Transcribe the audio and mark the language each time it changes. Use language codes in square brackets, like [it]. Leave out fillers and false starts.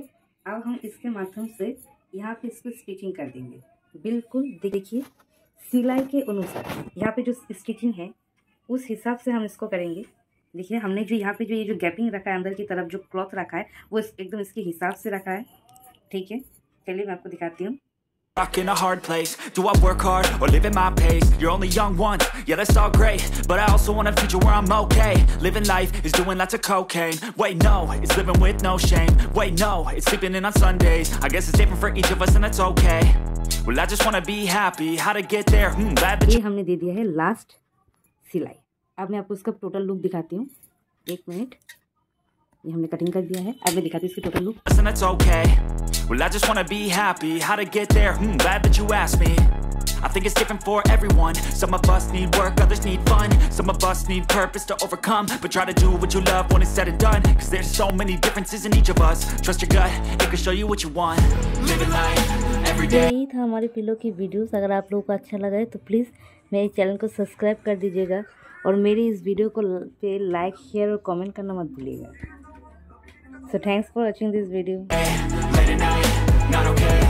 [hi] अब हम इसके माध्यम से यहाँ पे इसको स्टिचिंग कर देंगे। बिल्कुल देखिए सिलाई के अनुसार यहाँ पे जो स्टिचिंग है उस हिसाब से हम इसको करेंगे। देखिए हमने जो यहाँ पे जो ये जो गैपिंग रखा है अंदर की तरफ जो क्लॉथ रखा है वो एकदम इसके हिसाब से रखा है, ठीक है। चलिए मैं आपको दिखाती हूँ। [en] Rock in a hard place. Do I work hard or live at my pace? You're only young once, yeah, that's all great. But I also want a future where I'm okay. Living life is doing lots of cocaine. Wait, no, it's living with no shame. Wait, no, it's sleeping in on Sundays. I guess it's different for each of us and it's okay. Well, I just want to be happy. How to get there? Glad that you... [hi] हमने दे दिया है last सिलाई। अब मैं आपको इसका total look दिखाती हूँ। एक मिनट, ये हमने कटिंग कर दिया है। अब मैं दिखाती हूँ इसकी total look. [en] Listen, it's okay. Well, I just wanna be happy. How to get there? Glad that you asked me. I think it's different for everyone. Some of us need work, others need fun. Some of us need purpose to overcome. But try to do what you love when it's said and done. Cause there's so many differences in each of us. Trust your gut, it can show you what you want. Living life, every day. [hi] यही था हमारे pillow की videos. अगर आप लोगों को अच्छा लगा है तो प्लीज़ मेरे चैनल को सब्सक्राइब कर दीजिएगा और मेरी इस वीडियो को पे लाइक, शेयर और कॉमेंट करना मत भूलिएगा। [en] So thanks for watching this video. Hey, late at night, not okay.